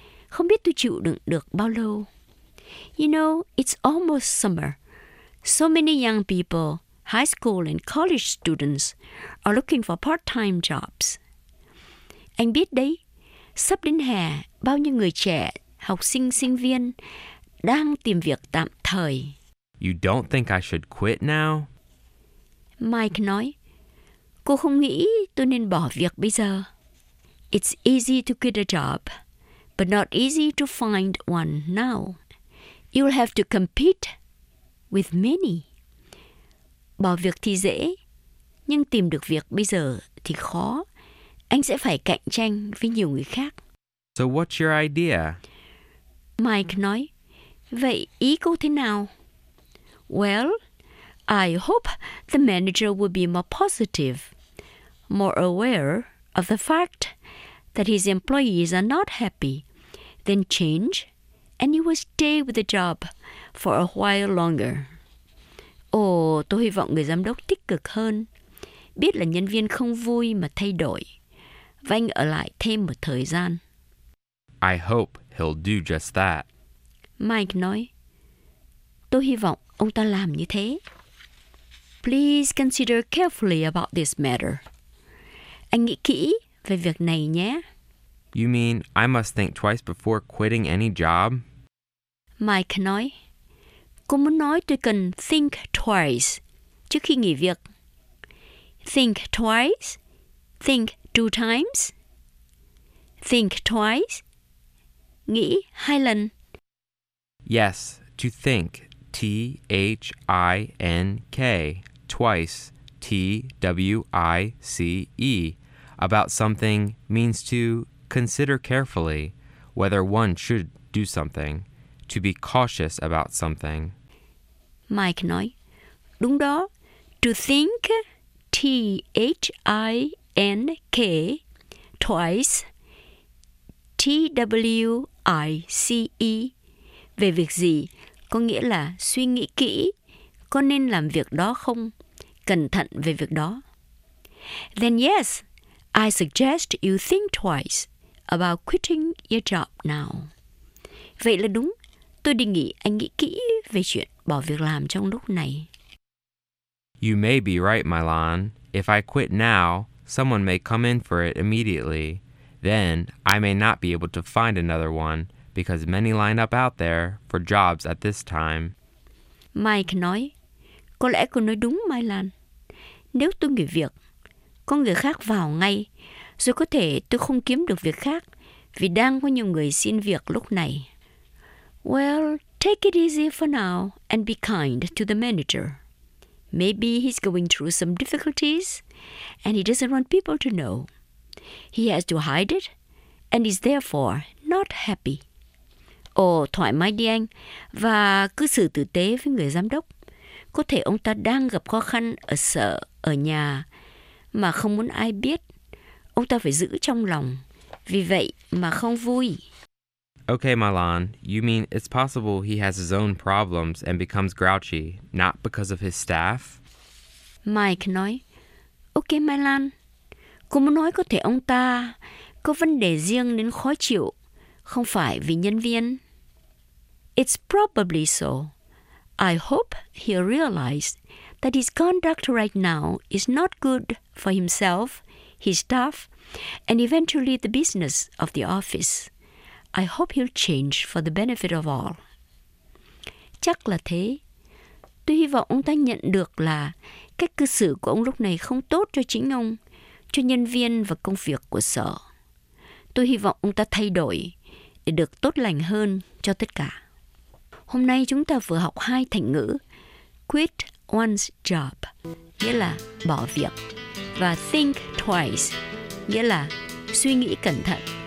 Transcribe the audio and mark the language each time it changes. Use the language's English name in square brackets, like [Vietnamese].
[Vietnamese] Không biết tôi chịu đựng được bao lâu. [English] You know, it's almost summer. So many young people, high school and college students, are looking for part-time jobs. [Vietnamese] Anh biết đấy, sắp đến hè, bao nhiêu người trẻ, học sinh, sinh viên, đang tìm việc tạm thời. [English] You don't think I should quit now? [Vietnamese] Mike nói, cô không nghĩ tôi nên bỏ việc bây giờ. [English] It's easy to quit a job, but not easy to find one now. You'll have to compete with many. [Vietnamese] Bỏ việc thì dễ, nhưng tìm được việc bây giờ thì khó. Anh sẽ phải cạnh tranh với nhiều người khác. [English] So what's your idea? [Vietnamese] Mike nói, vậy ý cô thế nào? [English] Well, I hope the manager will be more positive, more aware of the fact that his employees are not happy, then change, and he will stay with the job for a while longer. [Vietnamese] Tôi hy vọng người giám đốc tích cực hơn, biết là nhân viên không vui mà thay đổi, và anh ở lại thêm một thời gian. [English] I hope he'll do just that. [Vietnamese] Mike nói, tôi hy vọng ông ta làm như thế. [English] Please consider carefully about this matter. [Vietnamese] Anh nghĩ kỹ về việc này nhé. [English] You mean I must think twice before quitting any job? [Vietnamese] Mike nói, cô muốn nói tôi cần think twice trước khi nghỉ việc. [English] Think twice, think two times. [Vietnamese] Think twice, nghĩ hai lần. [English] Yes, to think, T-H-I-N-K, twice, T-W-I-C-E, about something means to consider carefully whether one should do something, to be cautious about something. [Vietnamese] Mike nói, đúng đó, to think, T-H-I-N-K, twice, T-W-I-C-E, về việc gì, có nghĩa là suy nghĩ kỹ, có nên làm việc đó không, cẩn thận về việc đó. [English] Then yes, I suggest you think twice about quitting your job now. [Vietnamese] Vậy là đúng, tôi đề nghị anh nghĩ kỹ về chuyện bỏ việc làm trong lúc này. [English] You may be right, Milan. If I quit now, someone may come in for it immediately. Then I may not be able to find another one because many line up out there for jobs at this time. [Vietnamese] Mike nói, có lẽ cô nói đúng, Milan. Nếu tôi nghỉ việc, có người khác vào ngay, rồi có thể tôi không kiếm được việc khác vì đang có nhiều người xin việc lúc này. [English] Well, take it easy for now and be kind to the manager. Maybe he's going through some difficulties and he doesn't want people to know. He has to hide it and is therefore not happy. [Vietnamese] Thoải mái đi anh và cứ xử tử tế với người giám đốc. Có thể ông ta đang gặp khó khăn ở sở, ở nhà mà không muốn ai biết. Ông ta phải giữ trong lòng, vì vậy mà không vui. [English] Okay, Milan, you mean it's possible he has his own problems and becomes grouchy, not because of his staff? [Vietnamese] Mike nói, okay, Milan, cô muốn nói có thể ông ta có vấn đề riêng đến khó chịu, không phải vì nhân viên. [English] It's probably so. I hope he'll realize that his conduct right now is not good for himself, his staff, and eventually the business of the office. I hope he'll change for the benefit of all. [Vietnamese] Chắc là thế. Tôi hy vọng ông ta nhận được là cách cư xử của ông lúc này không tốt cho chính ông, cho nhân viên và công việc của sở. Tôi hy vọng ông ta thay đổi để được tốt lành hơn cho tất cả. Hôm nay chúng ta vừa học hai thành ngữ quit one's job, nghĩa là bỏ việc, và think twice, nghĩa là suy nghĩ cẩn thận.